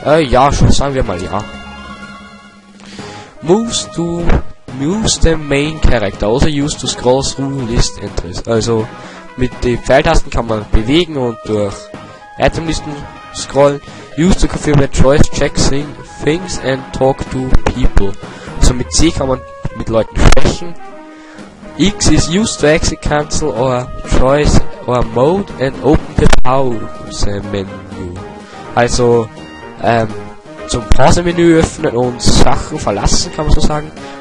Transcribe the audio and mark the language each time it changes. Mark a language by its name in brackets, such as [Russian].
[German] Ja, schon sagen wir mal ja. [English] Moves to move the main character, also use to scroll through list entries. [German] Also mit den Pfeiltasten kann man bewegen und durch Itemlisten scrollen. [English] Use to confirm your choice, check things and talk to people. [German] Also mit C kann man mit Leuten sprechen. [English] X is used to exit cancel or choice or mode and open the pause menu. [German] Also zum Pause-Menü öffnen und Sachen verlassen, kann man so sagen.